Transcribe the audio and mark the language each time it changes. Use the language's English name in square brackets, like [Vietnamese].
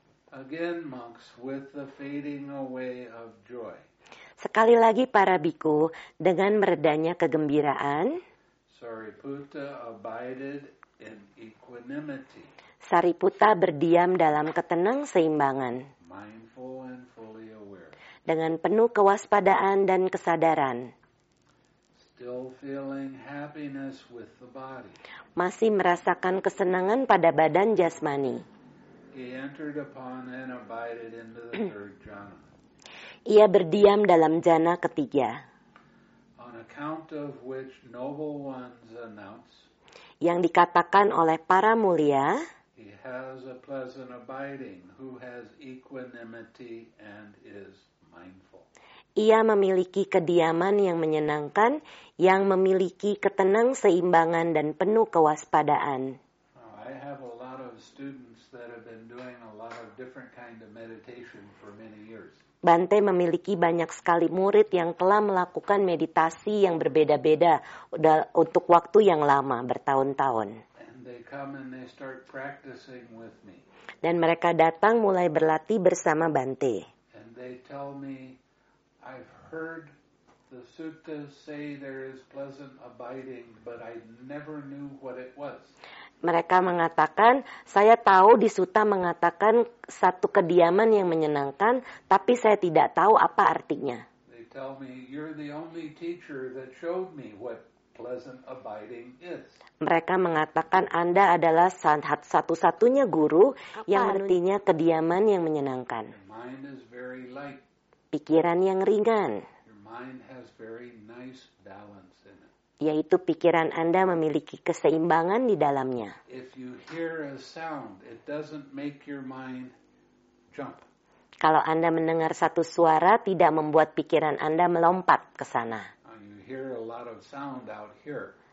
[English] Again, monks, with the fading away of joy. [Indonesian] Sekali lagi para bhikkhu, dengan meredanya kegembiraan. [English] Sariputta abided in equanimity. equanimity. [Indonesian] Sariputta berdiam dalam ketenang seimbangan. [English] Mindful and fully aware. [Indonesian] Dengan penuh kewaspadaan dan kesadaran. [English] Still feeling happiness with the body. [Indonesian] Masih merasakan kesenangan pada badan jasmani. [English] He entered upon and abided in the third jhana. [Indonesian] Ia berdiam dalam jhana ketiga. [English] On account of which noble ones announce. [Indonesian] Yang dikatakan oleh para mulia. [English] He has a pleasant abiding who has equanimity and is mindful. [Indonesian] Ia memiliki kediaman yang menyenangkan, yang memiliki ketenang seimbangan dan penuh kewaspadaan. [English] I have a lot of students that have been doing a lot of different kind of meditation for many years. [Indonesian] Bante memiliki banyak sekali murid yang telah melakukan meditasi yang berbeda-beda untuk waktu yang lama, bertahun-tahun. [English] And they come and they start practicing with me. [Indonesian] Dan mereka datang mulai berlatih bersama Bante. [English] And they tell me, I've heard the suttas say there is pleasant abiding, but I never knew what it was. [Indonesian] Mereka mengatakan, saya tahu di sutta mengatakan satu kediaman yang menyenangkan, tapi saya tidak tahu apa artinya. [English] They tell me, you're the only teacher that showed me what pleasant abiding is. [Indonesian] Mereka mengatakan, Anda adalah satu-satunya guru apa yang artinya kediaman yang menyenangkan. [English] Your mind is very light. [Indonesian] Pikiran yang ringan. [English] Your mind has very nice balance in it. [Indonesian] Yaitu pikiran Anda memiliki keseimbangan di dalamnya. [English] If you hear a sound, it doesn't make your mind jump. [Indonesian] Kalau Anda mendengar satu suara, tidak membuat pikiran Anda melompat ke sana. [English] You hear a lot of sound out here.